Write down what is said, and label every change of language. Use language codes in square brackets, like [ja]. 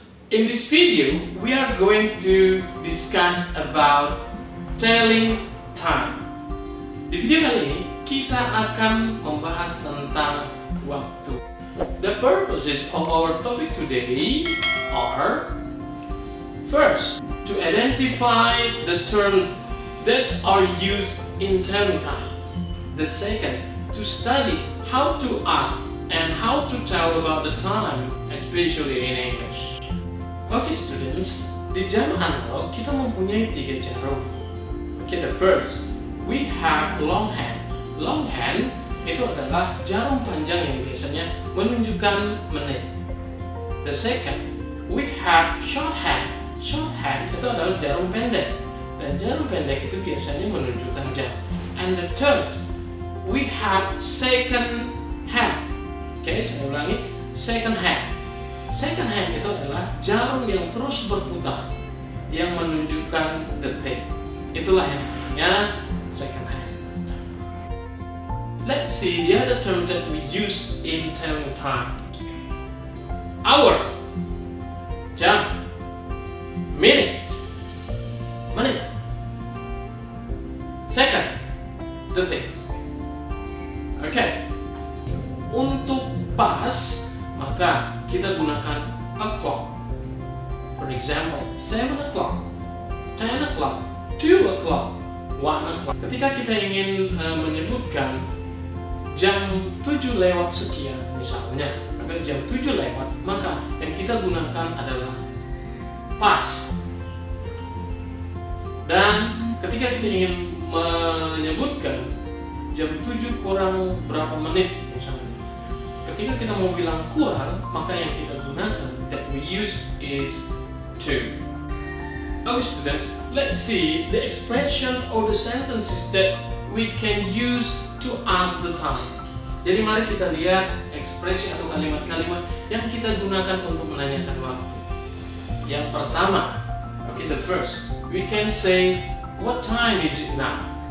[en] In this video, we are going to discuss about telling time. [id] Di video kali ini, kita akan membahas tentang waktu. [en] The purposes of our topic today are: first, to identify the terms that are used in telling time. The second, to study how to ask and how to tell about the time, especially in English. Okay students, [id] di jam analog kita mempunyai tiga cara. [en] Okay, the first, we have long hand. [id] Long hand itu adalah jarum panjang yang biasanya menunjukkan menit. [en] The second, we have short hand. Short hand [id] itu adalah jarum pendek. Dan jarum pendek itu biasanya menunjukkan jam. [en] And the third, we have second hand. [id] Okay, saya ulangi, second hand. Second hand itu adalah jarum yang terus berputar yang menunjukkan detik. Itulah yang namanya second hand. [en] Let's see the other terms that we use in telling time. Hour, jam, minute, second, detik. Okay. [id] Untuk pas, maka kita gunakan o'clock. [en] For example, 7 o'clock, 10 o'clock, 2 o'clock, 1 o'clock. [id] Ketika kita ingin menyebutkan jam 7 lewat sekian, misalnya, maka jam 7 lewat, maka yang kita gunakan adalah past. Dan ketika kita ingin menyebutkan jam 7 kurang berapa menit, misalnya, ketika kita mau bilang kurang, maka yang kita gunakan, [en] that we use, is 2. Okay students, let's see the expressions or the sentences that we can use to ask the time. [id] Jadi mari kita lihat ekspresi atau kalimat-kalimat yang kita gunakan untuk menanyakan waktu. Yang pertama, [en] okay, the first, we can say, what time is it now?